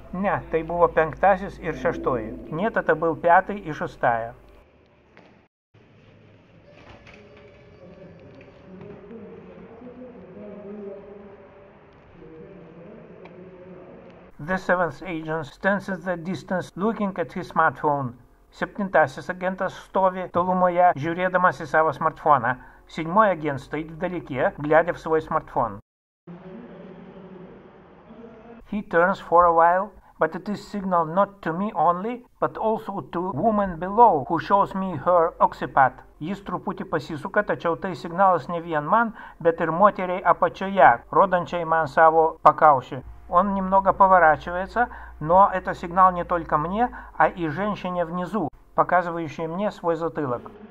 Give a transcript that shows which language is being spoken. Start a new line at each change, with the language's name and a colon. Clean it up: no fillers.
Lithuanian: Ne, tai buvo penktasis ir šeštoji.
Russian: Нет, это был пятый и шестая.
English: The seventh agent stands at the distance looking at his smartphone.
Lithuanian: Septintasis agentas stovi tolumoje, žiūrėdamas į savo smartfoną.
Russian: Седьмой агент стоит вдалеке, глядя в свой смартфон.
English: He turns for a while, but it is signal not to me only, but also to woman below, who shows me her occiput.
Lithuanian: Jis truputį pasisuka, tačiau tai signalas ne vien man, bet ir moteriai apačioje, rodančiai man savo pakaušį.
Russian: Он немного поворачивается, но это сигнал не только мне, а и женщине внизу, показывающей мне свой затылок.